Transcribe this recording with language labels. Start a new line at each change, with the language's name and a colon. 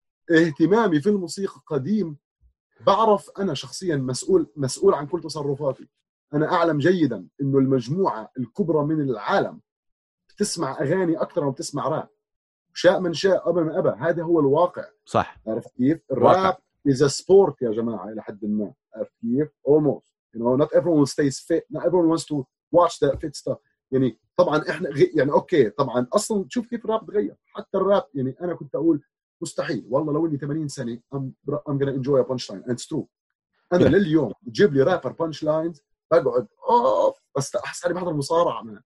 Arabic: اهتمامي في الموسيقى قديم. بعرف انا شخصيا مسؤول عن كل تصرفاتي. انا اعلم جيدا انه المجموعة الكبرى من العالم بتسمع اغاني اكثر من بتسمع راب. شاء من شاء ابا من ابا هذا هو الواقع. صح عرفت كيف الراب
English: is a sport
Arabic: يا جماعة الى حد ما كيف
English: almost you know not everyone stays fit not everyone wants to watch that fit stuff.
Arabic: يعني طبعا احنا يعني اوكي طبعا اصلا شوف كيف الراب تغير حتى الراب. يعني انا كنت اقول مستحيل والله لو اني 80 سنة
English: I'm gonna enjoy a punchline and it's true.
Arabic: انا لليوم جيب لي رابر punchlines بقعد اوف بس احس اني بحضر مصارعة.